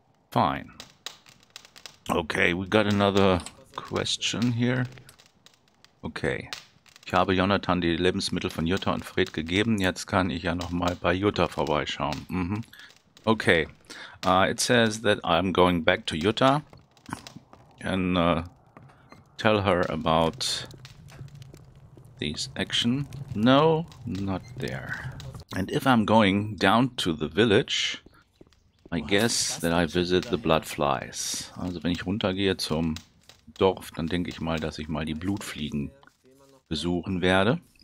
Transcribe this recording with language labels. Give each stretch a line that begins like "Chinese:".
English: Fine. Okay, we got another question here. Okay.
German: Ich habe Jonathan die Lebensmittel von Jutta und Fred gegeben. Jetzt kann ich ja nochmal bei Jutta vorbeischauen. Mhm.
English: Okay, it says that I'm going back to Jutta and tell her about this action. No, not there. And if I'm going down to the village, I guess that I visit the blood flies.
German: Also wenn ich runtergehe zum Dorf, dann denke ich mal, dass ich mal die Blutfliegen besuchen werde.